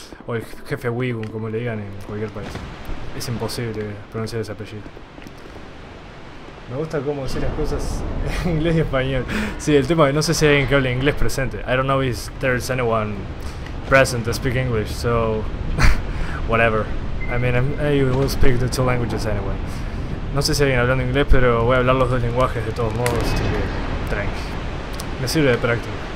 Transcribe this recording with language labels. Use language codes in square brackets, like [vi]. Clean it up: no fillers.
[es] O el jefe Wigun, como le digan en cualquier país. Es imposible pronunciar ese apellido. Me gusta cómo decir las cosas en inglés y español. Sí, el tema es que no sé si hay alguien que hable inglés presente. [en] I don't know if there's anyone present to speak English, so whatever. I mean, I will speak the two languages anyway. [es] No sé si hay alguien hablando inglés, pero voy a hablar los dos lenguajes de todos modos. Tranqui. Me sirve de práctica.